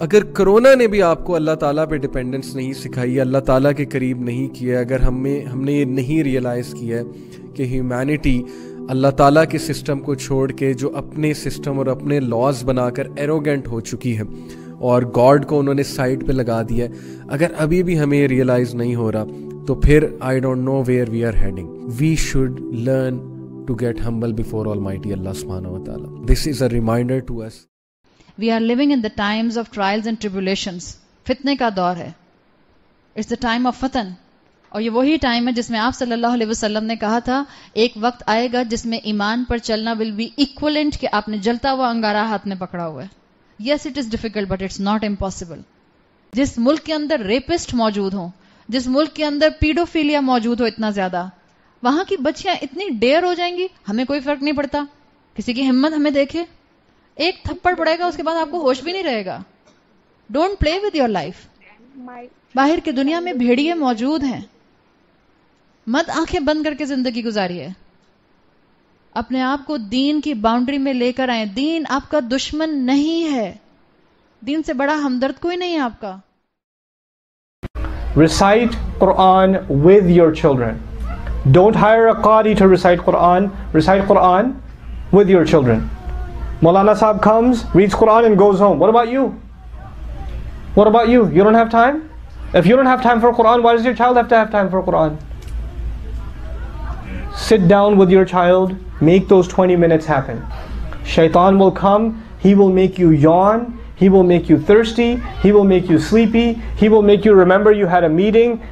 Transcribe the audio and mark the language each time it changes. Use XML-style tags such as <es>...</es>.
<hi>अगर कोरोना ने भी आपको अल्लाह ताला पे डिपेंडेंस नहीं सिखाई, अल्लाह ताला के करीब नहीं किया, अगर हमने ये नहीं रियलाइज किया है कि ह्यूमैनिटी अल्लाह ताला के सिस्टम को छोड़ के जो अपने सिस्टम और अपने लॉज बनाकर एरोगेंट हो चुकी है और गॉड को उन्होंने साइड पे लगा दिया, अगर अभी भी हमें रियलाइज नहीं हो रहा तो फिर</hi> <en>I don't know where we are heading. We should learn to get humble before Almighty Allah Subhanahu wa Taala. This is a reminder to us. We are living in the times of trials and tribulations.</en> <hi>Fitne ka daur hai.</hi> <en>It's the time of fatan.</en> <hi>और ये वही time है जिसमें आप सल्लल्लाहु अलैहि वसल्लम ने कहा था, एक वक्त आएगा जिसमें ईमान पर चलना</hi> <en>will be equivalent</en> <hi>कि आपने जलता हुआ अंगारा हाथ में पकड़ा हुआ है.</hi> <en>Yes it is difficult but it's not impossible.</en> <hi>जिस मुल्क के अंदर रेपिस्ट मौजूद हो, जिस मुल्क के अंदर पीडोफीलिया मौजूद हो इतना ज्यादा, वहां की बच्चियां इतनी डेयर हो जाएंगी हमें कोई फर्क नहीं पड़ता. किसी की हिम्मत हमें देखे, एक थप्पड़ पड़ेगा उसके बाद आपको होश भी नहीं रहेगा.</hi> <en>Don't play with your life.</en> <hi>बाहर की दुनिया में भेड़िए मौजूद हैं, मत आंखें बंद करके जिंदगी गुजारिए. अपने आप को दीन की बाउंड्री में लेकर आए. दीन आपका दुश्मन नहीं है, दीन से बड़ा हमदर्द कोई नहीं है आपका.</hi> <en>Recite Quran with your children. Don't hire a कारी to recite Quran. Recite Quran with your children. Maulana sahab comes, reads Quran and goes home. What about you? What about you? You don't have time? If you don't have time for Quran, why does your child have to have time for Quran? Sit down with your child, make those 20 minutes happen. Shaitan will come, he will make you yawn, he will make you thirsty, he will make you sleepy, he will make you remember you had a meeting.</en>